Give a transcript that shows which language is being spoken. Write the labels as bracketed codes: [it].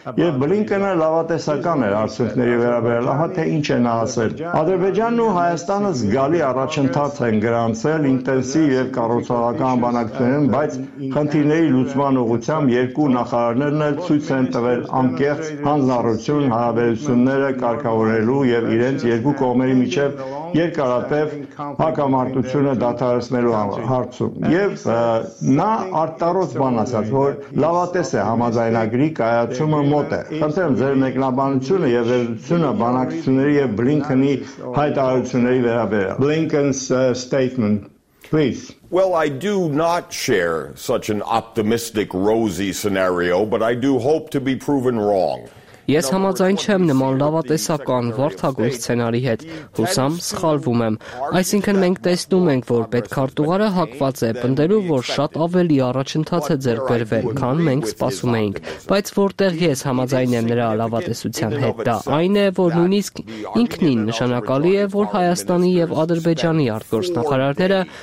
[hy] և Բլինքենը լավատեսական էր արդյունքների վերաբերյալ, ահա թե ինչ են ասել, Ադրբեջանն ու Հայաստանը զգալի առաջընթաց են գրանցել և կառուցողական բանակցություններում, բայց խնդիրների լուծման ուղղությամբ երկու նախարարներն էլ ցույց են տվել անկեղծ հանձնարարություն հարաբերությունները կարգավորելու և իրենց երկու կողմերի միջև երկարատև հակամարտությունը դադարեցնելու հարցում։ Եվ նա արտարոց բան ասաց, որ լավատես է համաձայնագրի կայացումը մոտ է։ Խնդրեմ ձեր մեկնաբանությունը և վերլուծությունը բանակցությունների և Բլինքենի հայտարարությունների վերաբերյալ։ [en] Blinken's statement. Please. Well, I do not share such an optimistic, rosy scenario, but I do hope to be proven wrong. [hy] Ես համաձայն չեմ նման լավատեսական վարդագույն սցենարի հետ, հուսամ սխալվում եմ։ Այսինքն մենք տեսնում ենք, որ պետքարտուղարը հակված է պնդելու, որ շատ ավելի առաջընթաց է ձեռբերվել, քան մենք սպասում էինք, բայց որտեղ ես համաձայն եմ նրա լավատեսության հետ, դա այն է, որ նույնիսկ ինքնին նշանակալի է, որ Հայաստանի և Ադրբեջանի արտգործնախարարները